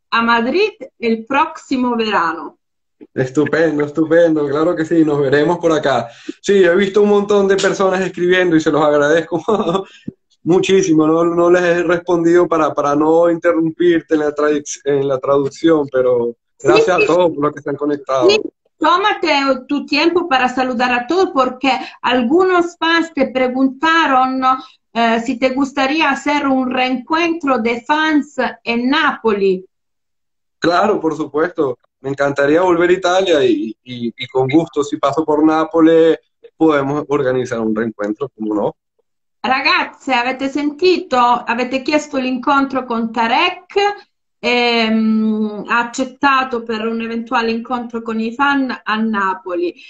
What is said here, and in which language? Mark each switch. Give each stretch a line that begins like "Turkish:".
Italian: A Madrid il prossimo verano.
Spanish: Estupendo, estupendo, claro que sí, nos veremos por acá. Sí, he visto un montón de personas escribiendo y se los agradezco muchísimo. No, no les he respondido para no interrumpirte en la traducción, pero gracias a todos por los que se han conectado. Tómate tu tiempo para saludar a todos porque algunos fans te preguntaron si te gustaría hacer un reencuentro de fans en Napoli. Claro, por supuesto. Me encantaría volver a Italia y con gusto, si paso por Nápoles, podemos organizar un reencuentro, ¿cómo no?
Italian: Ragazze, avete sentito? Avete chiesto l'incontro con Tarek, ha accettato per un eventuale incontro con i fan a Napoli.